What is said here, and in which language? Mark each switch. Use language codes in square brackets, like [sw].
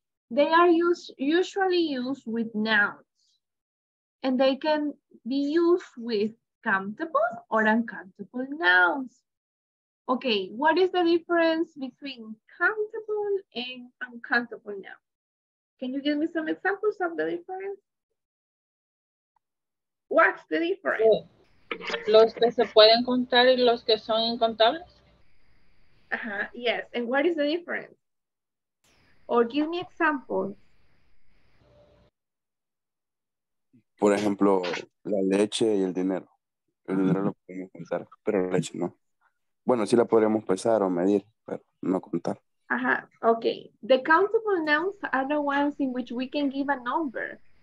[en] They are usually used with nouns. And they can be used with countable or uncountable nouns. Okay, what is the difference between countable and uncountable nouns? Can you give me some examples of the difference? What's the difference? [es] Los que se pueden contar y los que son incontables. [en] Uh-huh, yes, and what is the difference? Or give me examples. [es] Por ejemplo, la leche y el dinero. El dinero lo podemos contar, pero la leche no. Bueno, sí la podríamos pesar o medir, pero no contar. Ajá, okay. [en] The countable nouns are the ones in which we can give a number.